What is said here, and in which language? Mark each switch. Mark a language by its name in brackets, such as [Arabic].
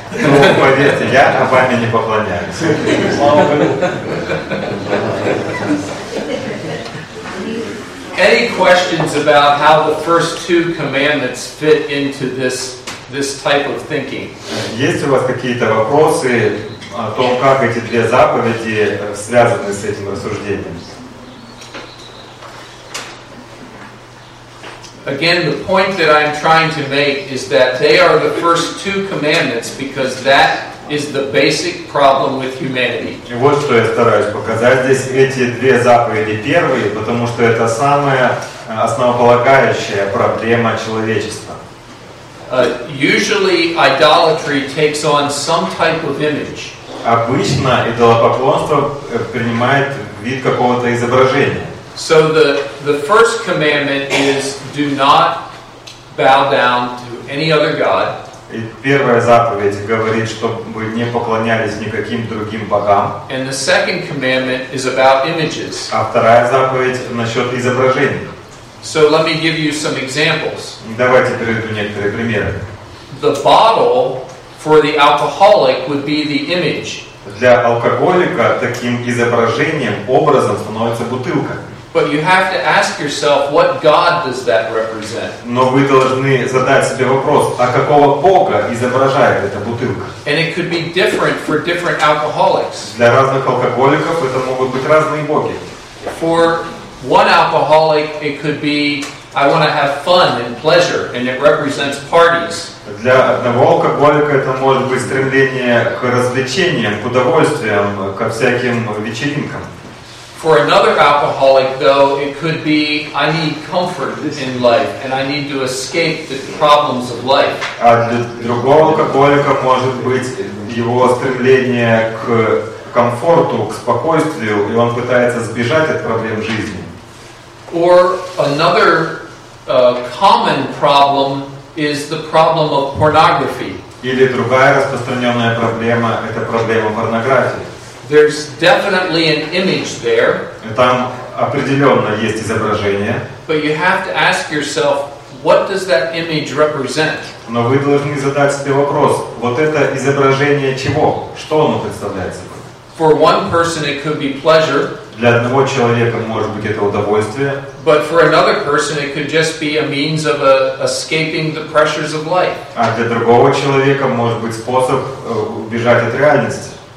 [Russian] Ну, поверьте, я Обаме не поклоняюсь. [English] Any questions about how the first two commandments fit into this type of thinking? [Russian] Есть у вас какие-то вопросы о том, как эти две заповеди связаны с этим рассуждением? [English] Again, the point that I'm trying to make is that they are the first two commandments because that is the basic problem with humanity. [Russian] И вот что я стараюсь показать здесь. Эти две заповеди первые, потому что это самая основополагающая проблема человечества. [English] Usually, idolatry takes on some type of image. [Russian] Обычно идолопоклонство принимает вид какого-то изображения. [English] So the first commandment is do not bow down to any other god. [Russian] И первая заповедь говорит, чтобы вы не поклонялись никаким другим богам. [English] And the second commandment is about images. [Russian] А вторая заповедь насчет изображений. [English] So let me give you some examples. [Russian] Давайте приведу некоторые примеры. [English] The bottle for the alcoholic would be the image. [Russian] Для алкоголика таким изображением, образом становится бутылка. [English] But you have to ask yourself, what God does that represent? [Russian] Но вы должны задать себе вопрос, а какого Бога изображает эта бутылка? [English] And it could be different for different alcoholics. [Russian] Для разных алкоголиков это могут быть разные боги. [English] For one alcoholic, it could be, I want to have fun and pleasure, and it represents parties. [Russian] Для одного алкоголика это может быть стремление к развлечениям, к удовольствиям, ко всяким вечеринкам. [English] For another alcoholic, though, it could be I need comfort in life and I need to escape the problems of life. [Russian] А для другого алкоголика может быть его стремление к комфорту, к спокойствию, и он пытается сбежать от проблем жизни. [English] Or another common problem is the problem of pornography. [Russian] Или другая распространенная проблема – это проблема порнографии. [English] There's definitely an image there. [Russian] Там определенно есть изображение. [English] But you have to ask yourself, what does that image represent? [Russian] Но вы должны задать себе вопрос, вот это изображение чего? Что оно представляет собой? [English] For one person it could be pleasure. [Russian] Для одного человека может быть это удовольствие. [English] But for another person it could just be a means of escaping the pressures of life. [Russian] А для другого человека может быть способ убежать от реальности.